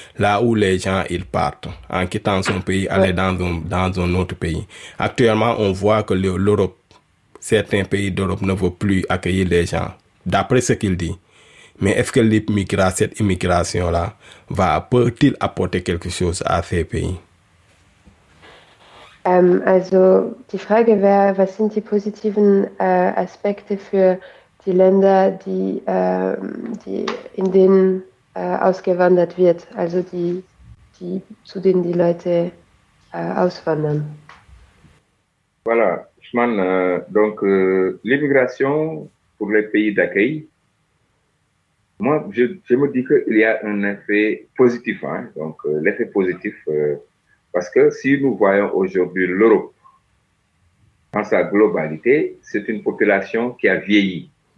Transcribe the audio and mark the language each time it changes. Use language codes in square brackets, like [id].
[fr] Là où les gens, ils partent en quittant son pays, aller dans un autre pays. Actuellement, on voit que l'Europe, certains pays d'Europe ne veulent plus accueillir les gens, d'après ce qu'il dit. Mais est-ce que l'immigration, cette immigration-là, va peut-il apporter quelque chose à ces pays? [de] Also, die Frage wäre, was sind die positiven Aspekte für die Länder, die, die in denen ausgewandert wird, also die, die, zu denen die Leute auswandern? [fr] Voilà, [de] ich meine, [fr] donc, l'immigration pour les pays d'accueil, moi, je me dis qu'il y a un effet positif, hein, donc l'effet positif. Parce que si nous voyons aujourd'hui l'Europe dans sa globalité, c'est une population qui a vieilli.